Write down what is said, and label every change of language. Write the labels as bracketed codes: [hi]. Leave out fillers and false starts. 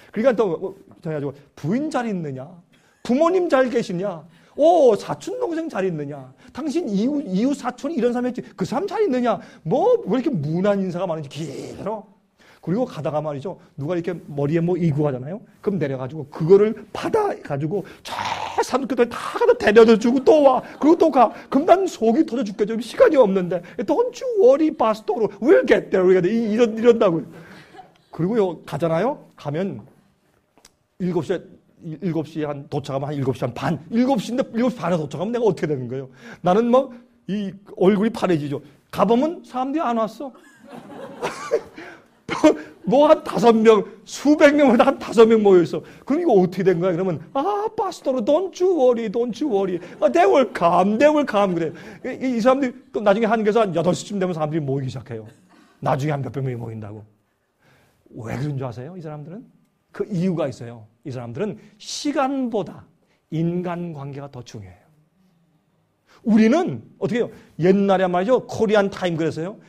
[ko] 그러니까 또 그래가지고 부인 잘 있느냐 부모님 잘 계시냐 오 사촌 동생 잘 있느냐 당신 이웃 사촌이 이런 사람 있지 그 사람 잘 있느냐 뭐 왜 이렇게 무난 인사가 많은지 길어. 그리고 가다가 말이죠 누가 이렇게 머리에 뭐 이고 가잖아요. 그럼 내려가지고 그거를 받아 가지고 저 사람 끝에 다 가다 데려다 주고 또 와 그리고 또 가. 그럼 난 속이 터져 죽겠죠. 시간이 없는데 [en] Don't you worry pastor we'll get there we'll get there [ko] 이런다고요. 그리고요 가잖아요. 가면 7시에 7시 한 도착하면 한 7시 한 반 7시인데 7시 반에 도착하면 내가 어떻게 되는 거예요. 나는 뭐 이 얼굴이 파래지죠. 가보면 사람들이 안 왔어. 뭐 한 5명 수백 명보다 한 5명 모여있어. 그럼 이거 어떻게 된 거야. 그러면 아 파스토르 [en] don't you worry don't you worry they will come they will come [ko] 그래. 이 사람들이 또 나중에 한계에서 한 8시쯤 되면 사람들이 모이기 시작해요. 나중에 한 몇백 명이 모인다고. 왜 그런 줄 아세요. 이 사람들은 그 이유가 있어요. 이 사람들은 시간보다 인간관계가 더 중요해요. 우리는 어떻게 해요? 옛날에 말이죠. 코리안 타임 그랬어요.